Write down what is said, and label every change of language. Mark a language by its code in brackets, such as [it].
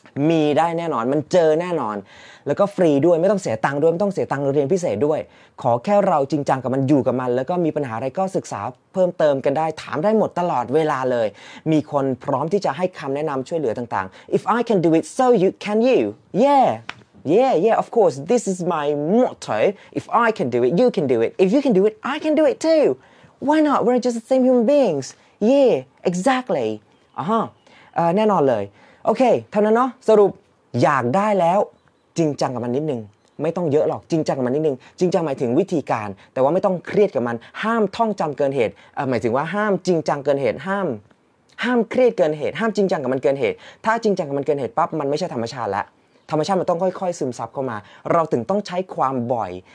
[th] มีได้แน่นอนมันเจอแน่นอนแล้วก็ฟรีด้วยไม่ต้องเสียตังค์ด้วยไม่ต้องเสียตังค์เรียนพิเศษด้วยขอแค่เราจริงจังกับมันอยู่กับมันแล้วก็มีปัญหาอะไรก็ศึกษาเพิ่มเติมกันได้ถามได้หมดตลอดเวลาเลยมีคนพร้อมที่จะให้คำแนะนำช่วยเหลือต่างๆ [en] If I can do it so you can you Yeah, of course, this is my motto. If I can do it, you can do it. If you can do it, I can do it too. Why not? We're just the same human beings. Yeah, exactly. [th] แน่นอนเลยโอเคเท่านั้นเนาะสรุปอยากได้แล้วจริงจังกับมันนิดนึงไม่ต้องเยอะหรอกจริงจังกับมันนิดนึงจริงจังหมายถึงวิธีการแต่ว่าไม่ต้องเครียดกับมันห้ามท่องจำเกินเหตุหมายถึงว่าห้ามจริงจังเกินเหตุห้ามเครียดเกินเหตุห้ามจริงจังกับมันเกินเหตุถ้าจริงจังกับมันเกินเหตุปั๊บมันไม่ใช่ธรรมชาติละธรรมชาติมันต้องค่อยๆซึมซับเข้ามาเราถึงต้องใช้ความบ่อย